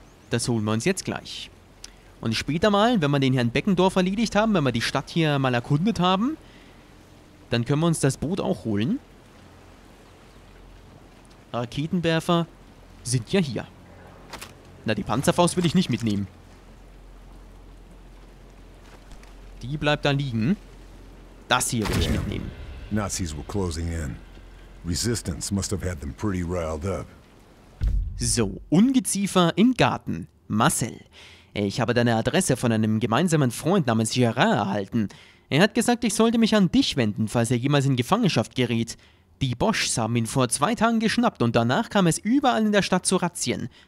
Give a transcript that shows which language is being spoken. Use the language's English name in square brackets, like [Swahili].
[German] Das holen wir uns jetzt gleich. Und später mal, wenn wir den Herrn Beckendorf erledigt haben, wenn wir die Stadt hier mal erkundet haben, dann können wir uns das Boot auch holen. Raketenwerfer sind ja hier. Na, die Panzerfaust will ich nicht mitnehmen. Die bleibt da liegen. Das hier will ich mitnehmen. [English] Nazis were closing in. Resistance must have had them pretty riled up. [German] So, Ungeziefer im Garten. Marcel. Ich habe deine Adresse von einem gemeinsamen Freund namens Gérard erhalten. Er hat gesagt, ich sollte mich an dich wenden, falls er jemals in Gefangenschaft gerät. Die Boschs haben ihn vor 2 Tagen geschnappt und danach kam es überall in der Stadt zu Razzien.